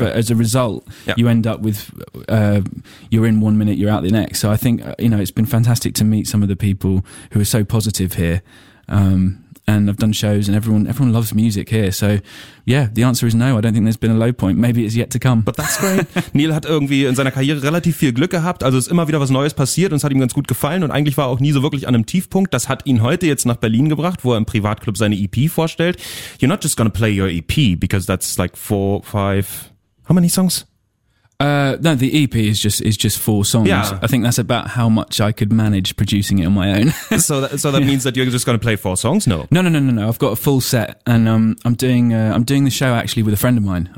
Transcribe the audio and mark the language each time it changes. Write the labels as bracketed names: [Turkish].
[English] But as a result, you end up with you're in 1 minute, you're out the next. So I think, you know, it's been fantastic to meet some of the people who are so positive here. And I've done shows, and everyone loves music here. So, yeah, the answer is no. I don't think there's been a low point. Maybe it's yet to come. But that's great. [German] Neil hat irgendwie in seiner Karriere relativ viel Glück gehabt. Also ist immer wieder was Neues passiert und es hat ihm ganz gut gefallen. Und eigentlich war er auch nie so wirklich an einem Tiefpunkt. Das hat ihn heute jetzt nach Berlin gebracht, wo er im Privatclub seine EP vorstellt. [English] You're not just gonna play your EP, because that's like 4, 5... How many songs? No, the EP is just 4 songs. Yeah. I think that's about how much I could manage producing it on my own. so that means that you're just going to play 4 songs? No. No. I've got a full set, and I'm doing the show actually with a friend of mine.